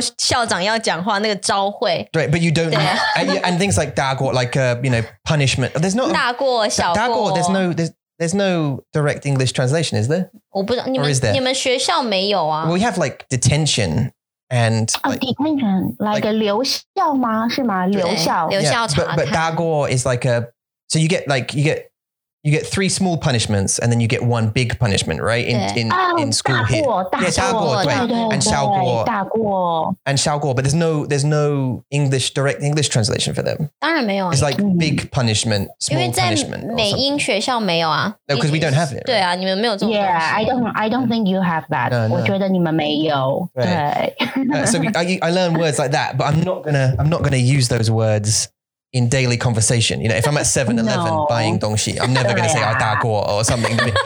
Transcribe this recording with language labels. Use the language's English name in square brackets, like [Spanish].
[Chinese] You知道招会吗？就是早上要大家要在一起，然后校长要讲话那个招会。对，but [English] you don't and things like dago, like you know, punishment. There's not dago. There's no direct English translation, is there? [Chinese] 我不知道, [English] or is there? [Chinese] 你们学校没有啊? [English] Well, we have like detention and... Detention, like a 留校吗? 留校, but dago is like a... So you get like, you get three small punishments and then you get one big punishment, right? In school here. Yeah, dago, and 小过. And 小过, but there's no English, direct English translation for them. [Chinese] 当然没有啊, [English] it's like big punishment, small punishment. [Chinese] 因为在美英学校没有啊, [English] no, because we don't have it. [Chinese] 对啊, 你们没有这种东西。 [English] I don't think you have that. No. [Chinese] 我觉得你们没有。 [English] So I learn words like that, but I'm not gonna use those words in daily conversation. You know, if I'm at 7-Eleven buying dongxi, I'm never going to say, oh, dago or something.